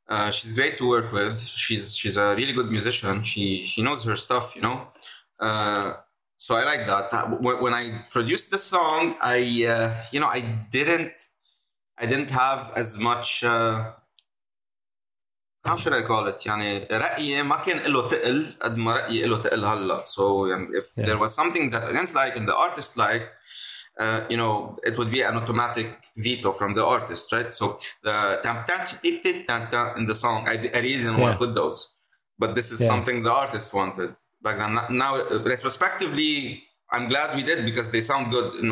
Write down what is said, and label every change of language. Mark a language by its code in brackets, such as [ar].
[en] She's great to work with. She's a really good musician. She knows her stuff, you know. So I like that. When I produced the song, I didn't have as much... How should I call it? [ar] يعني رأيي ما كان إله تقل قد ما رأيي إله تقل هلا. [en] So if there was something that I didn't like and the artist liked, it would be an automatic veto from the artist, right? So the tam-tam-tam-tam-tam in the song, I really didn't want to put those. But this is something the artist wanted. But now, retrospectively, I'm glad we did because they sound good.